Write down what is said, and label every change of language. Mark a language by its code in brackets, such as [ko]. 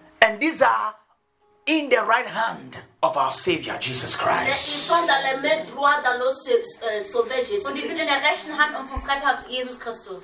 [en] And these are in the right hand of our Savior Jesus Christ. [fr] Ils sont dans les mains droites dans notre Sauveur Jésus. [de] Und die sind in der rechten Hand unseres Retters Jesus Christus.